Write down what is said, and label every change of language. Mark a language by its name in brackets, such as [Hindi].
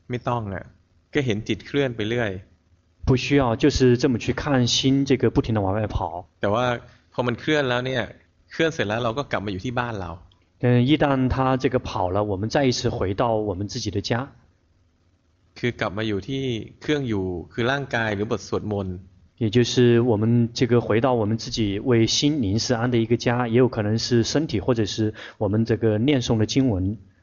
[Thai] ไม่ต้องเลยก็เห็นจิตเคลื่อนไปเรื่อย [Chinese] 不需要就是这么去看心这个不停地往外跑 [Thai] แต่ว่าพอมันเคลื่อนแล้วเนี่ยเคลื่อนเสร็จแล้วเราก็กลับมาอยู่ที่บ้านเรา [Chinese] 一旦他这个跑了我们再一次回到我们自己的家 [Thai] คือกลับมาอยู่ที่เครื่องอยู่คือร่างกายหรือบทสวดมนต์ [Chinese] 也就是我们这个回到我们自己为心临时安的一个家，也有可能是身体或者是我们这个念诵的经文。